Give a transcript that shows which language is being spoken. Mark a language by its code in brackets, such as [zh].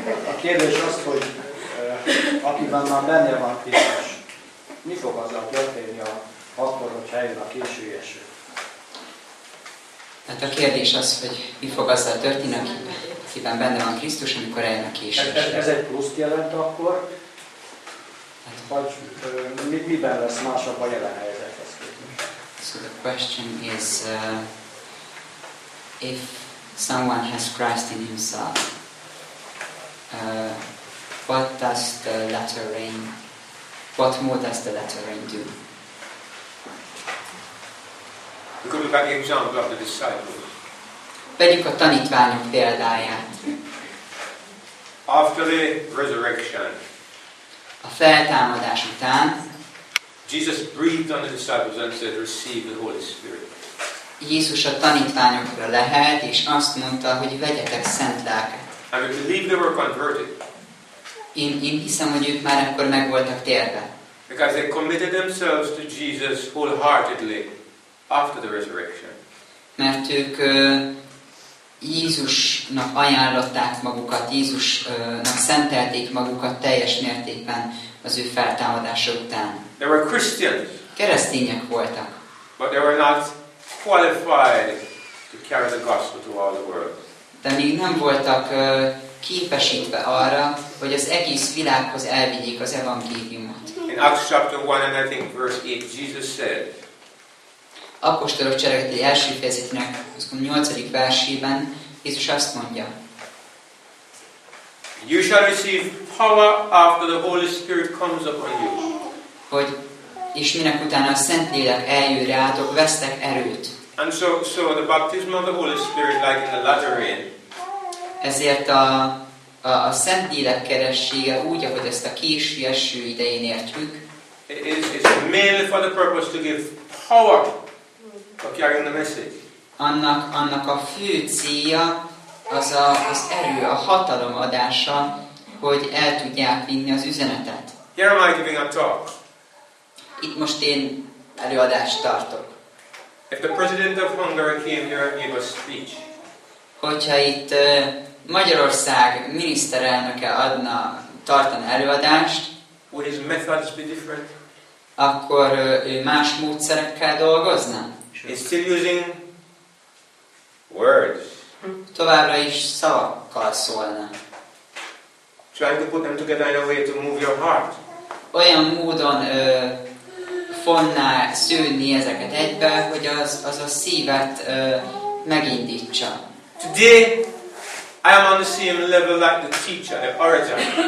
[hu] A kérdés az, hogy akiben már benne van Krisztus, mi fog azzal történni akkor, hogyha eljön a késő eső? Tehát a kérdés az, hogy mi fog azzal történni, akiben benne van Krisztus, amikor eljön a késő eső. Ez egy pluszt jelent akkor? Hát, vagy miben lesz másabb a jelen helyzet? [en] So the question is, if someone has Christ in himself, what does the latter rain, what more does the latter rain do? We could look at the example of the disciples. [hu] Vegyük a tanítványok példáját. [en] After the resurrection, [hu] a feltámadás után, [en] Jesus breathed on the disciples and said, "Receive the Holy Spirit." [hu] Jézus a tanítványokra lehelt, és azt mondta, hogy vegyetek szent lelket. [en] And we believe they were converted. [hu] Én hiszem, hogy ők már akkor meg voltak térve. [en] Because they committed themselves to Jesus wholeheartedly after the resurrection. [hu] Mert ők Jézusnak ajánlották magukat, Jézusnak szentelték magukat teljes mértékben az ő feltámadása után. [en] They were Christians. [hu] Keresztények voltak. [en] But they were not qualified to carry the gospel to all the world. [hu] De még nem voltak képesítve arra, hogy az egész világhoz elvigyék az evangéliumot. [en] In Acts chapter 1 and I think verse 8, Jesus said. [hu] Apostolok cselekedetei első fejezetének 8. versében Jézus azt mondja. [en] You shall receive power after the Holy Spirit comes upon you. [hu] Hogy és minek utána a Szentlélek eljön rátok, vesztek erőt. [en] And so the baptism of the Holy Spirit like in the latter rain. [hu] Ezért a Szentlélek keressége úgy, ahogy ezt a késő eső idején értjük. [en] It's mainly for the purpose to give power to carry the message. [hu] Annak a fő célja az az erő, a hatalom adása, hogy el tudják vinni az üzenetet. [en] Here am I giving a talk. [hu] Itt most én előadást tartok. [en] If the president of Hungary came here and gave a speech. [hu] Hogyha itt Magyarország miniszterelnöke adna, tartana előadást. [en] Would his methods be different? [hu] Akkor ő más módszerekkel dolgozna? [en] He's still using words. [hu] Továbbra is szavakkal szólna. [en] Trying to put them together in a way to move your heart. [hu] Olyan módon fonná szűnni ezeket egybe, hogy az a szívet megindítsa. [en] Today I am on the same level like the teacher, the orator.